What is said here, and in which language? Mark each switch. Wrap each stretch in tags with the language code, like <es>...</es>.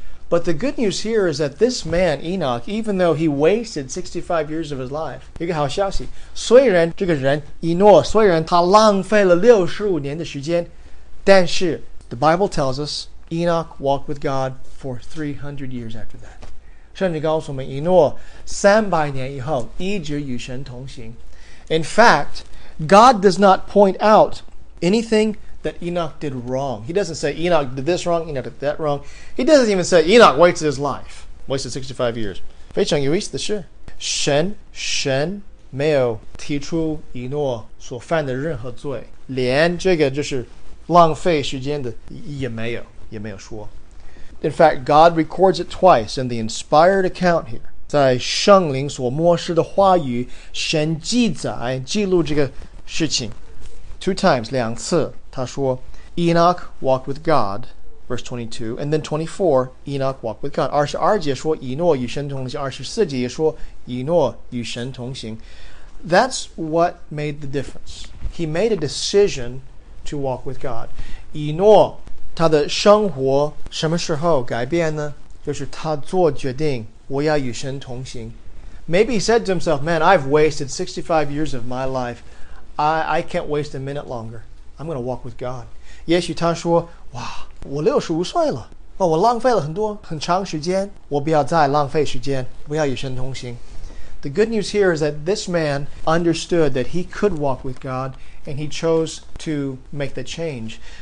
<en>But the good news here is that this man, Enoch, even though he wasted 65 years of his life,</en> <zh>一个好消息, 虽然这个人,以诺,虽然他浪费了65年的时间, 但是,</zh> <en>the Bible tells us, Enoch walked with God for 300 years after that.</en> <zh>甚至告诉我们,以诺,300年以后,一直与神同行.</zh> <en>In fact, God does not point out anything that Enoch did wrong. He doesn't say, Enoch did this wrong, Enoch did that wrong. He doesn't even say, Enoch wasted his life. Wasted 65 years.</en> <zh>非常有意思的是, 神没有提出以诺所犯的任何罪, 连这个就是浪费时间的也没有说.</zh> <en>In fact, God records it twice in the inspired account here.</en> <zh>在圣灵所默示的话语, 神记载记录这个事情。</zh> <en>Two times,</en> <zh>两次, 他说,</zh> <en>Enoch walked with God verse 22, and then 24, Enoch walked with God.</en> <zh>22节说, 以诺与神同行, 24节说, 以诺与神同行.</zh> <en>That's what made the difference. He made a decision to walk with God.</en> <zh>以诺他的生活什么时候改变呢? 就是他做决定, 我要与神同行.</zh> <en>Maybe he said to himself, man, I've wasted 65 years of my life. I can't waste a minute longer. I'm going to walk with God.</en> <zh>也许他说, 哇, 我65岁了, 我浪费了很多很长时间, 我不要再浪费时间, 我要与神同行.</zh> <en>The good news here is that this man understood that he could walk with God, and he chose to make the change.</en>